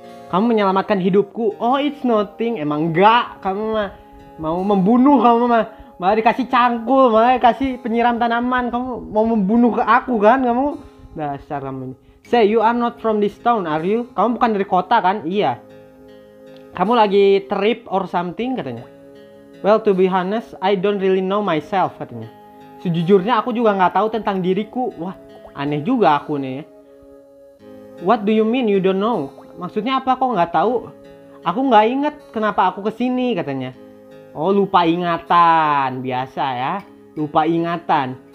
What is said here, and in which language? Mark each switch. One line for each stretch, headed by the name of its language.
Indonesian: kamu menyelamatkan hidupku.
English: Oh, it's nothing.
Indonesian: Emang enggak, kamu mah mau membunuh kamu mah. Malah dikasih cangkul, malah dikasih penyiram tanaman. Kamu mau membunuh ke aku kan kamu? Dasar kamu ini.
English: Say, you are not from this town, are you?
Indonesian: Kamu bukan dari kota kan? Iya. Kamu lagi
English: trip or something
Indonesian: katanya.
English: Well, to be honest, I don't really know myself
Indonesian: katanya. Sejujurnya aku juga gak tahu tentang diriku. Wah, aneh juga aku nih.
English: What do you mean you don't know?
Indonesian: Maksudnya apa kok gak tahu? Aku gak ingat kenapa aku kesini katanya. Oh, lupa ingatan. Biasa ya. Lupa ingatan.